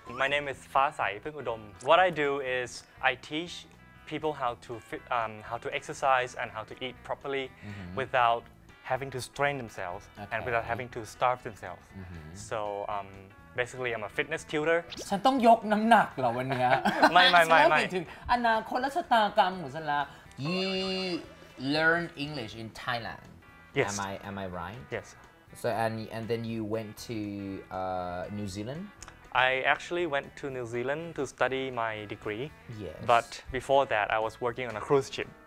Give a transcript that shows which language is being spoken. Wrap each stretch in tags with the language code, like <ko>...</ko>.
<en>My name is ฟ้าใสพึ่งอุดม What I do is I teach people how to fit, how to exercise and how to eat properly mm-hmm. without having to strain themselves okay. and without having to starve themselves. Mm-hmm. So Basically, I'm a fitness tutor.</en> <th>ฉันต้องยกน้ำหนักเหรอวันนี้ ไม่ ฉันต้องถึงอนาคตและชะตากรรมของฉันละ</th> <en>You learn English in Thailand. Yes. Am I right? Yes. So and then you went to New Zealand. I actually went to New Zealand to study my degree. Yes. But before that, I was working on a cruise ship.</en>